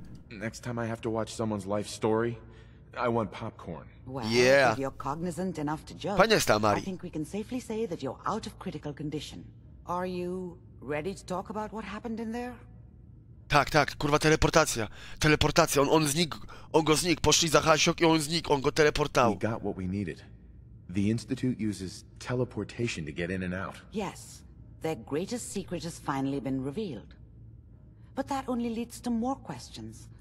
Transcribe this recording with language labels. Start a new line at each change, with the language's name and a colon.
English: Next time I have to watch someone's life story, I want popcorn. Well, yeah. If you're cognizant enough to judge,
Polish: Panie Stamari.
English: I think we can safely say that you're out of critical condition. Are you ready to talk about what happened in there?
Polish: Tak, tak, kurwa teleportacja. Teleportacja, on znikł. On go znikł, poszli za Hasiok i on znikł, on go teleportał.
English: We got what we needed. The Institute uses teleportation to get in and out. Yes, their greatest secret has finally been revealed. But that only leads to more questions.